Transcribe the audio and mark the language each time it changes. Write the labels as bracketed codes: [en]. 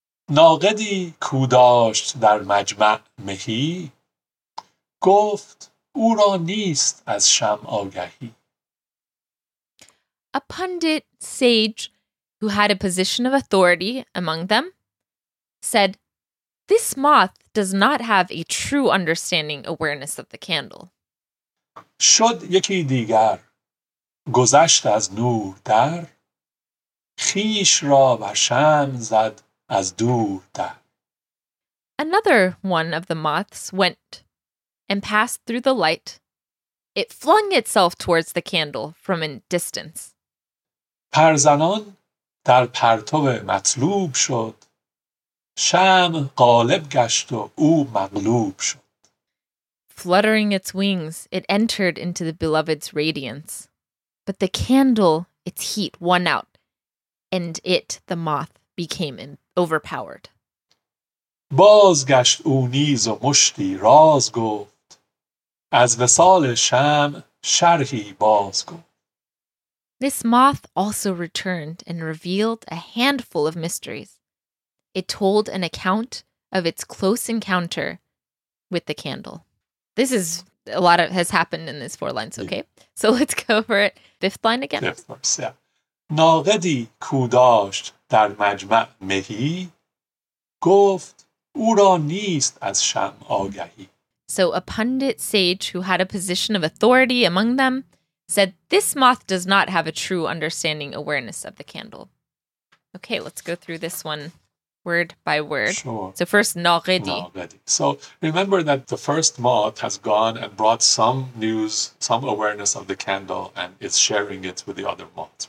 [fa] ناقدی کوداشت در مجمع مهی گفت او را نیست از شمع آگهی. [en] A pundit sage who had a position of authority among them said, "This moth does not have a true understanding awareness of the candle." [fa] شد یکی دیگر گذشت از نور در خیش را بر شمع زد از دور در. [en] Another one of the moths went and passed through the light. It flung itself towards the candle from a distance. [fa] پرزنان در پرتو مطلوب شد. شمع غالب گشت و او مغلوب شد. [en] Fluttering its wings, it entered into the beloved's radiance. But the candle, its heat won out. And it, the moth, became overpowered. [fa] بازگشت او نیز و مشتی راز گفت. از وصال شمع شرحی باز گفت. [en] This moth also returned and revealed a handful of mysteries. It told an account of its close encounter with the candle. This is a lot of has happened in these 4 lines, okay? Yeah. So let's go over it. 5th line again. 5th verse, yeah. [fa] ناقدی کوداشت در مجمع مهی گفت او را نیست از شمع آگهی. [en] So a pundit sage who had a position of authority among them said, "This moth does not have a true understanding awareness of the candle." Okay, let's go through this one word by word. Sure. So first, ناقدی. So remember that the first moth has gone and brought some news, some awareness of the candle, and it's sharing it with the other moths.